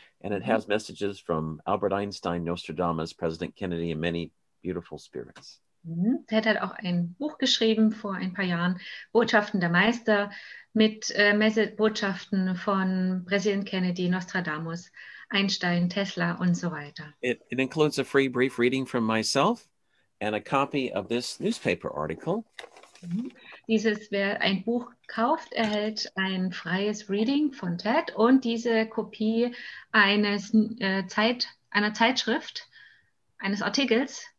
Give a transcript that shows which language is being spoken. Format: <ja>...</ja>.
<en>And it has messages from Albert Einstein, Nostradamus, President Kennedy, and many beautiful spirits.</en> <de>Ted hat auch ein Buch geschrieben vor ein paar Jahren, Botschaften der Meister, mit Botschaften von President Kennedy, Nostradamus, Einstein, Tesla und so weiter.</de> <en>It includes a free brief reading from myself and a copy of this newspaper article.</en> <de>Dieses, wer ein Buch kauft, erhält ein freies Reading von Ted und diese Kopie einer Zeitschrift, eines Artikels.</de>